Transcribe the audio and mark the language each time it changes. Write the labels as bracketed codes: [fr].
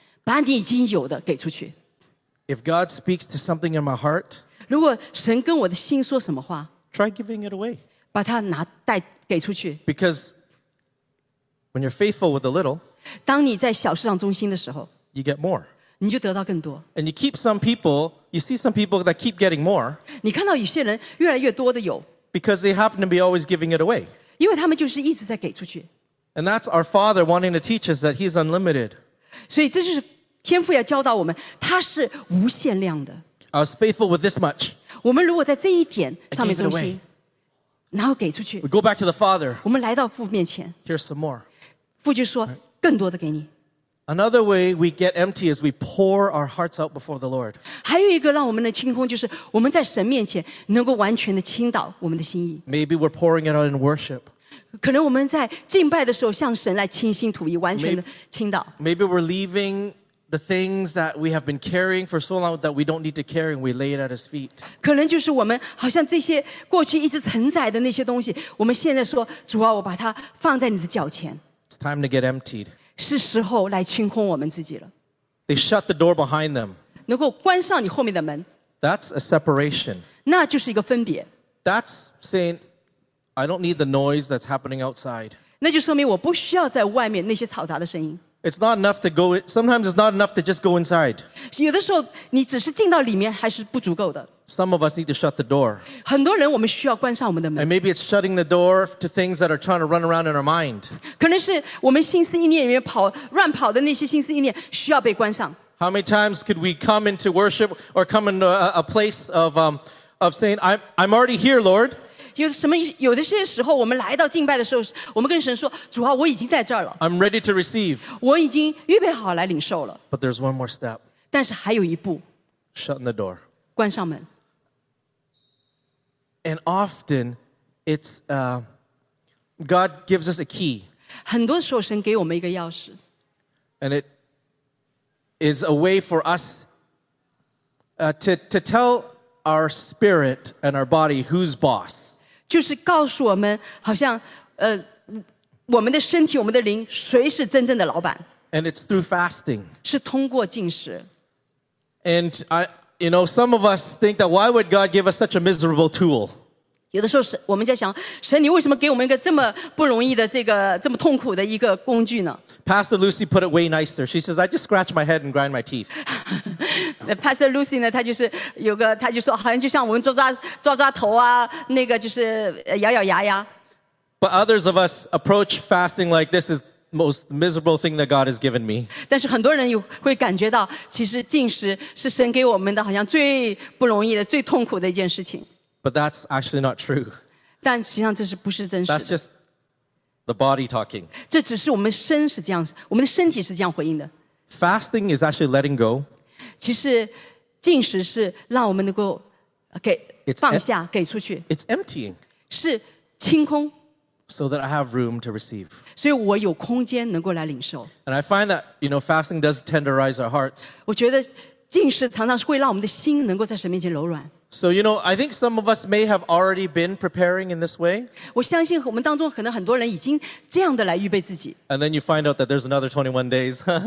[zh] 把你已经有的给出去。 [en] If God speaks to something in my heart, [zh] 如果神跟我的心说什么话, [en] try giving it away. [zh] 把它拿带给出去。 [en] Because when you're faithful with a little, [zh] 当你在小事上忠心的时候, [en] you get more. [zh] 你就得到更多。 [en] And you keep some people, you see some people that keep getting more, [zh] 你看到有些人越来越多的有。 [en] Because they happen to be always giving it away. [zh] 因为他们就是一直在给出去。 [en] And that's our Father wanting to teach us that He's unlimited. [zh] 所以这就是天父要教导我们，他是无限量的。 [en] I was faithful with this much. [zh] 我们如果在这一点上面忠心，然后给出去。 [en] We go back to the Father. [zh] 我们来到父面前。 [en] Here's some more. [zh] 父就说，更多的给你。 [en] Another way we get empty is we pour our hearts out before the Lord. [zh] 还有一个让我们的清空，就是我们在神面前能够完全的倾倒我们的心意。 [en] Maybe we're pouring it out in worship. [zh] 可能我们在敬拜的时候向神来倾心吐意，完全的倾倒。 [en] Maybe we're leaving. The things that we have been carrying for so long that we don't need to carry, we lay it at His feet. [zh] 可能就是我们好像这些过去一直承载的那些东西，我们现在说，主啊，我把它放在你的脚前。 [en] It's time to get emptied. [zh] 是时候来清空我们自己了。 [en] They shut the door behind them. [zh] 能够关上你后面的门。 [en] That's a separation. [zh] 那就是一个分别。 [en] That's saying, I don't need the noise that's happening outside. [zh] 那就说明我不需要在外面那些吵杂的声音。 [en] It's not enough to go. Sometimes it's not enough to just go inside. [zh] 有的时候你只是进到里面还是不足够的。 [en] Some of us need to shut the door. [zh] 很多人我们需要关上我们的门。 [en] And maybe it's shutting the door to things that are trying to run around in our mind. [zh] 可能是我们心思意念里面跑乱跑的那些心思意念需要被关上。 [en] How many times could we come into worship or come into a place of saying, "I'm already here, Lord"? [zh] 有的些时候我们来到敬拜的时候我们跟神说主啊我已经在这儿了 [en] I'm ready to receive [zh] 我已经预备好来领受了 [en] But there's one more step [zh] 但是还有一步 [en] Shutting the door [zh] 关上门 [en] And often it's God gives us a key [zh] 很多时候神给我们一个钥匙 [en] And it is a way for us to tell our spirit and our body who's boss [zh] 就是告诉我们好像我们的身体我们的灵谁是真正的老板 [en] And it's through fasting [zh] 是通过禁食 [en] And you know some of us think that why would God give us such a miserable tool [zh] 有的时候我们在想神你为什么给我们一个这么不容易的这个这么痛苦的一个工具呢 [en] Pastor Lucy put it way nicer She says I just scratch my head and grind my teeth [zh] Pastor Lucy 呢，他就说，好像就像我们抓头啊，那个就是咬咬牙呀。 [en] But others of us approach fasting like this is the most miserable thing that God has given me. [zh] 但是很多人会感觉到，其实禁食是神给我们的，好像最不容易的、最痛苦的一件事情。 [en] But that's actually not true. [zh] 但实际上这是不是真实的。 [en] That's just the body talking. [zh] 这只是我们身是这样，我们的身体是这样回应的。 [en] Fasting is actually letting go. [zh] 其实进食是让我们能够给放下给出去 [en] It's emptying. [zh] 是清空 [en] So that I have room to receive. [zh] 所以我有空间能够来领受 [en] And I find that, you know, fasting does tenderize our hearts. [zh] 我觉得进食常常是会让我们的心能够在神面前柔软 [en] So, you know, I think some of us may have already been preparing in this way. [zh] 我相信我们当中可能很多人已经这样的来预备自己 [en] And then you find out that there's another 21 days.